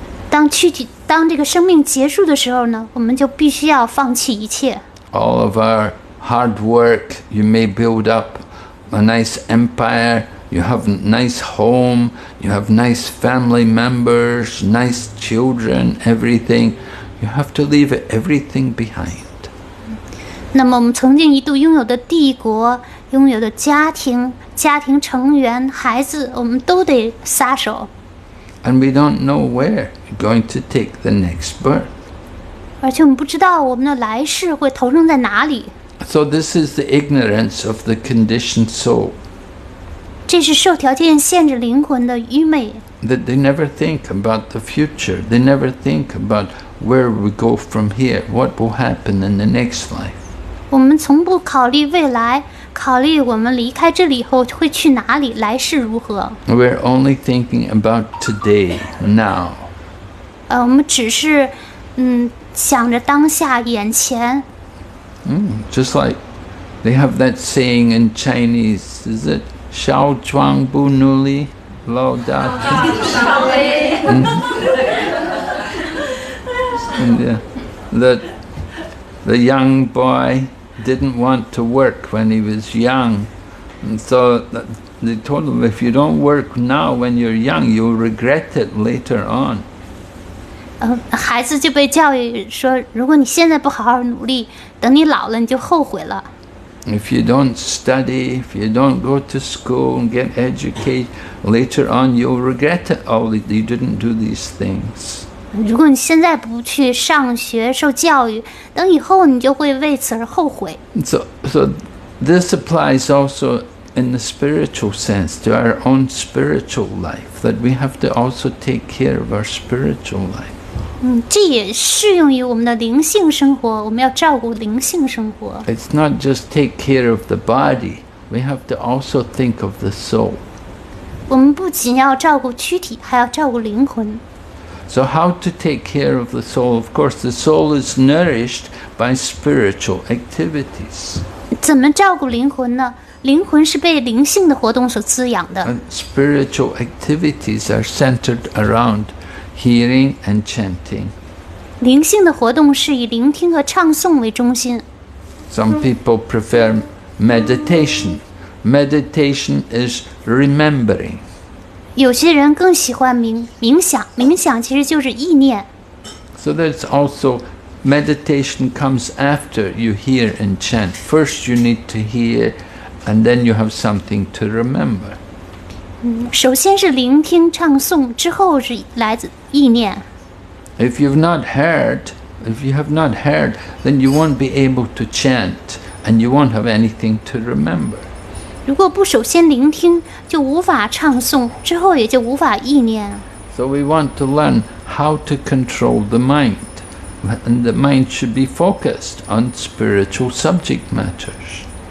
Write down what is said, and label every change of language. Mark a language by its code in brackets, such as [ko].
[zh] 当这个生命结束的时候呢，我们就必须要放弃一切。 [en] All of our hard work, you may build up a nice empire, you have a nice home, you have nice family members, nice children, everything. You have to leave everything behind. [zh] 那么我们曾经一度拥有的帝国，拥有的家庭，家庭成员，孩子，我们都得撒手。 [en] And we don't know where you're going to take the next birth. [zh] 而且我们不知道我们的来世会投生在哪里。 [en] So this is the ignorance of the conditioned soul. [zh] 这是受条件限制灵魂的愚昧。 [en] That they never think about the future. They never think about where we go from here. What will happen in the next life? [zh] 我们从不考虑未来，考虑我们离开这里以后会去哪里，来世如何。 [en] We're only thinking about today, now. [zh] 我们只是想着当下，眼前。 [en] Just like they have that saying in Chinese, is it? [zh] Xiao Zhuang Bu Nu Li Lao Da Tian. [en] The young boy didn't want to work when he was young. And so they told him, if you don't work now when you're young, you'll regret it later on. [zh] 孩子就被教育说，如果你现在不好好努力，等你老了你就后悔了。 [en] If you don't study, if you don't go to school and get educated, later on you'll regret it all that you didn't do these things. [zh] 如果你现在不去上学受教育，等以后你就会为此而后悔。 [en] So this applies also in the spiritual sense to our own spiritual life, that we have to also take care of our spiritual life. [zh] 这也适用于我们的灵性生活，我们要照顾灵性生活。 [en] It's not just take care of the body, we have to also think of the soul. [zh] 我们不仅要照顾躯体，还要照顾灵魂。 [en] So how to take care of the soul? Of course, the soul is nourished by spiritual activities. [zh] 怎么照顾灵魂呢？灵魂是被灵性的活动所滋养的。 [en] And spiritual activities are centered aroundhearing and chanting. [zh] 灵性的活动是以聆听和唱诵为中心。 [en] Some people prefer meditation. Meditation is remembering. [zh] 有些人更喜欢冥想，冥想其实就是意念。 [en] So that's also meditation comes after you hear and chant. First you need to hear, and then you have something to remember. [zh] 首先是聆听唱诵，之后是来自意念。 [en] If you have not heard, then you won't be able to chant, and you won't have anything to remember. [zh] 如果不首先聆听，就无法唱诵，之后也就无法意念。 [en] So we want to learn how to control the mind, and the mind should be focused on spiritual subject matters.